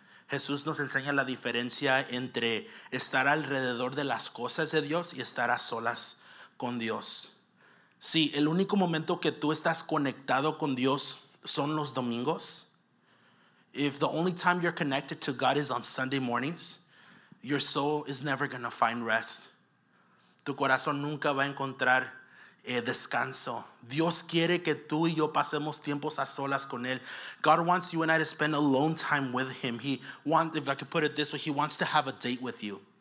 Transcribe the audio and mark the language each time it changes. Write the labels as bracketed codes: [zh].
[es] Jesús nos enseña la diferencia entre estar alrededor de las cosas de Dios y estar a solas con Dios. Sí, el único momento que tú estás conectado con Dios son los domingos. [en] If the only time you're connected to God is on Sunday mornings, your soul is never going to find rest. [es] Tu corazón nunca va a encontrar descanso. Dios quiere que tú y yo pasemos tiempos a solas con él. [en] God wants you and I to spend alone time with him. He wants, if I could put it this way, he wants to have a date with you.